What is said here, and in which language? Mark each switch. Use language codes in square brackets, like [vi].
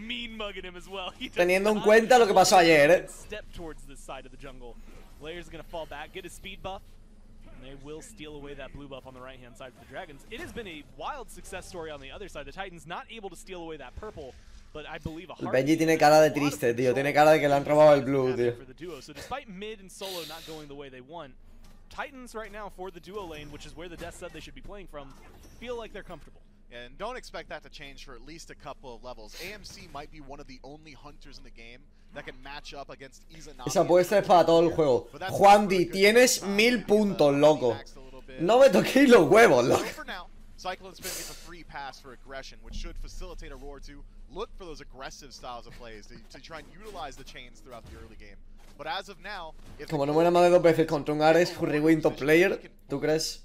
[en] Mean mugging him as well. [es] Teniendo en cuenta lo que pasó ayer. [en] Step towards this side of the jungle. Layers is going to fall back, get his speed buff, and they will steal away that blue buff on the right-hand side for the Dragons. It has been a wild success story on the other side. The Titans not able to steal away that purple. But I believe a heart. [es] Benji tiene cara de triste, tío. Tiene cara de que le han robado el blue, tío. [en] So despite mid and solo not going the way they want, Titans right now for the duo lane, which is where the Death said they should be playing from, feel like they're comfortable. And don't expect that to change for at least a couple of levels. AMC might be one of the only hunters in the game that can match up against Izanami. [es] Esa puede ser para todo el juego. Juan Di, tienes 1000 puntos, loco. No me toquéis los huevos, loco. [en] Cyclone Spin gets a free pass for aggression, which should facilitate a Roar to look for those aggressive styles of plays to try and utilize the chains throughout the early game. But as of now, if [es] como no me han dado veces contra un Ares, Furry Winto player, ¿tú crees?